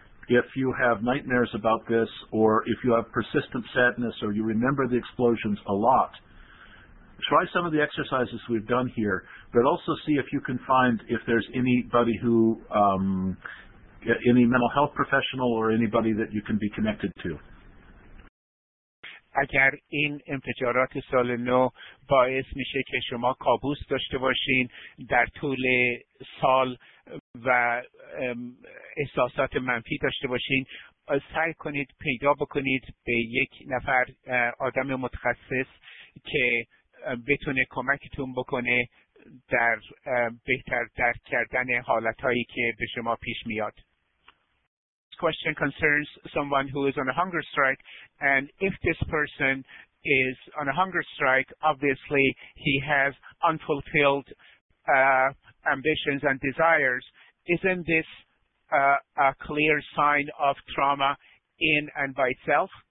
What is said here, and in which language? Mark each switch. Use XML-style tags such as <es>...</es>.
<en>If you have nightmares about this, or if you have persistent sadness, or you remember the explosions a lot, try some of the exercises we've done here, but also see if you can find if there's anybody who, any mental health professional or anybody that you can be connected to.</en> <fa>اگر این انفجارات سال نو باعث میشه که شما کابوس داشته باشین در طول سال و احساسات منفی داشته باشین، سعی کنید پیدا بکنید به یک نفر آدم متخصص که بتونه کمکتون بکنه در بهتر درک کردن حالتهایی که به شما پیش میاد.</fa> <en>Question concerns someone who is on a hunger strike, and if this person is on a hunger strike, obviously he has unfulfilled ambitions and desires. Isn't this a clear sign of trauma in and by itself?</en>